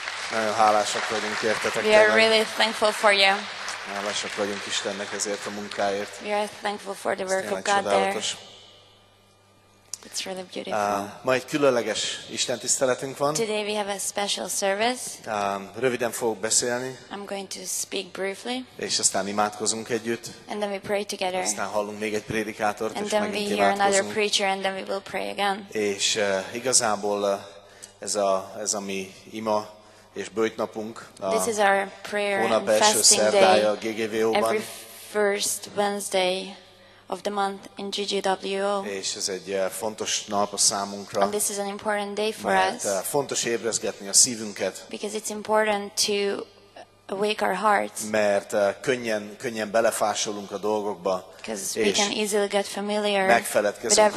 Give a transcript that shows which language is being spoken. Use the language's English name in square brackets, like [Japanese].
[Hungarian] Nagyon hálásak vagyunk értetek. [English] We are really thankful for you. [Hungarian] Hálásak vagyunk Istennek ezért a munkáért. [English] We are thankful for the work of God there. It's really beautiful. [Hungarian] Ma egy különleges Isten tiszteletünk van. [English] Today we have a special service. [Hungarian] Röviden fogok beszélni. [English] I'm going to speak briefly. [Hungarian] És aztán imádkozunk együtt. [English] And then we pray together. [Hungarian] Aztán hallunk még egy prédikátort, [English] and then we hear another preacher, and then we will pray again. [Hungarian] És igazából ez a mi ima és böjtnapunk. [English] This is our prayer and fasting day. [Hungarian] A GGVO-ban. [English] Every first Wednesday of the month in GGWO. [Hungarian] És ez egy fontos nap a számunkra. [English] And this is an important day for [Hungarian] mert, [English] us. [Hungarian] Fontos ébreszgetni a szívünket. [English] Because it's important to awake our hearts. [Hungarian] Mert könnyen belefásolunk a dolgokba. [English] Because we can easily get familiar with everything